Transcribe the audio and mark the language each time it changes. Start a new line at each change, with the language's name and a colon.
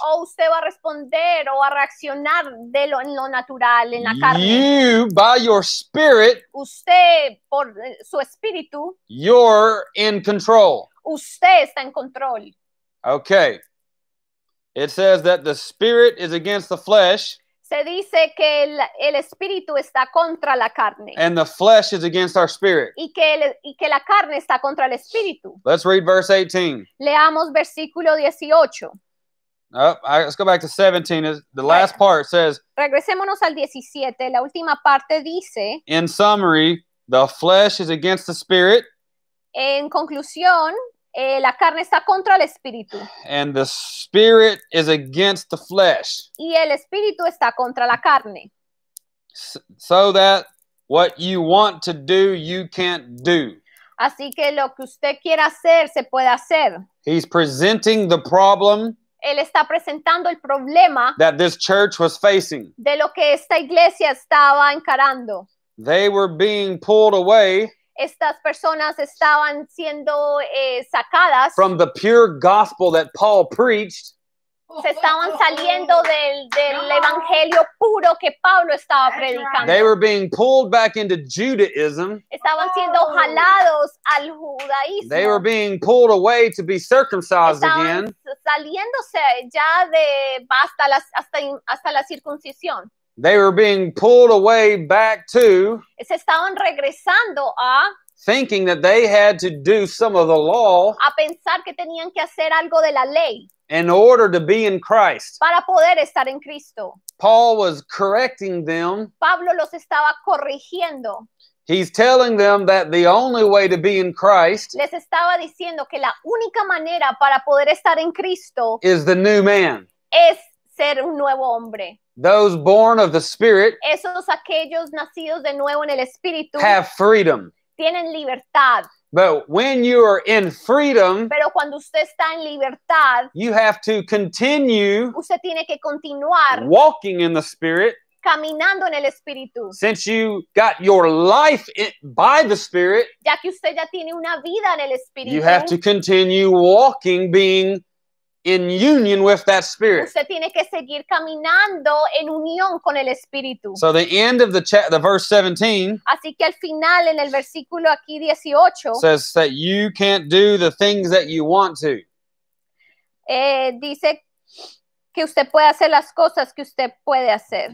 Spanish: o usted va a responder o a reaccionar de lo, en lo natural en la carne
English: you by your spirit
Spanish: usted por su espíritu
English: you're in control
Spanish: usted está en control.
English: Okay. It says that the spirit is against the flesh.
Spanish: Se dice que el espíritu está contra la carne.
English: And the flesh is against our spirit.
Spanish: Y que la carne está contra el espíritu.
English: Let's read verse 18.
Spanish: Leamos versículo 18.
English: Let's go back to 17. The last part says.
Spanish: Regresémonos al 17. La última parte dice.
English: In summary, the flesh is against the spirit.
Spanish: En conclusión. La carne está contra el espíritu.
English: And the spirit is against the flesh.
Spanish: Y el espíritu está contra la carne.
English: So that what you want to do, you can't do.
Spanish: Así que lo que usted quiera hacer, se puede hacer.
English: He's presenting the problem.
Spanish: Él está presentando el problema.
English: That this church was facing.
Spanish: De lo que esta iglesia estaba encarando.
English: They were being pulled away.
Spanish: Estas personas estaban siendo sacadas
English: from the pure gospel that Paul preached.
Spanish: Se estaban saliendo del evangelio puro que Pablo estaba predicando.
English: They were being pulled back into Judaism.
Spanish: Estaban siendo jalados al judaísmo.
English: They were being pulled away to be circumcised
Spanish: estaban
English: again.
Spanish: Saliéndose ya de hasta la circuncisión.
English: They were being pulled away back to
Spanish: se estaban regresando a
English: thinking that they had to do some of the law
Spanish: a pensar que tenían que hacer algo de la ley
English: in order to be in Christ.
Spanish: Para poder estar en Cristo.
English: Paul was correcting them.
Spanish: Pablo los estaba corrigiendo.
English: He's telling them that the only way to be in Christ
Spanish: les estaba diciendo que la única manera para poder estar en Cristo
English: is the new man.
Spanish: Es ser un nuevo hombre.
English: Those born of the Spirit
Spanish: esos aquellos nacidos de nuevo en el Espíritu
English: have freedom.
Spanish: Tienen libertad.
English: But when you are in freedom,
Spanish: pero cuando usted está en libertad,
English: you have to continue
Spanish: usted tiene que continuar
English: walking in the Spirit.
Spanish: Caminando en el Espíritu.
English: Since you got your life by the Spirit,
Spanish: ya que usted ya tiene una vida en el Espíritu,
English: you have to continue walking, being in union with that spirit.
Spanish: Usted tiene que seguir caminando en unión con el espíritu.
English: So the end of the verse 17.
Spanish: Así que al final en el versículo aquí 18.
English: Says that you can't do the things that you want to.
Spanish: Dice que usted puede hacer las cosas que usted puede hacer.